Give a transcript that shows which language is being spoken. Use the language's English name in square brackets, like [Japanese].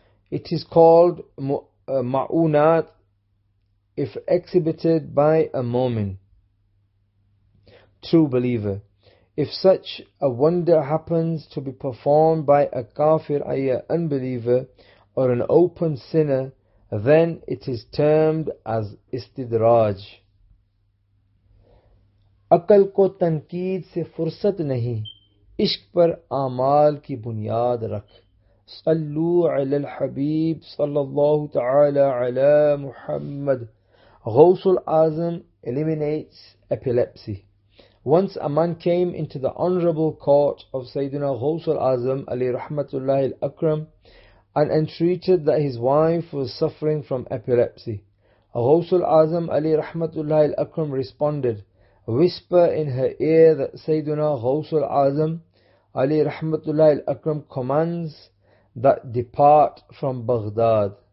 [English] It is called ma'unat if exhibited by a mu'min, true believer. If such a wonder happens to be performed by a kafir, i.e. an unbeliever, or an open sinner, then it is termed as istidraj. [Urdu] عقل کو تنقید سے فرصت نہیں عشق پر اعمال کی بنیاد رکھ [Arabic] صلو علی الحبیب صلی اللہ تعالی علی محمد. [English] غوث العظم eliminates epilepsy. Once a man came into the honorable court of Sayyidina غوث العظم علی رحمت اللہ الاکرم and entreated that his wife was suffering from epilepsy. غوث العظم علی رحمت اللہ الاکرم responded, "Whisper in her ear that Sayyiduna Ghawsul Azam Ali Rahmatullah Al-Akram commands that depart from Baghdad."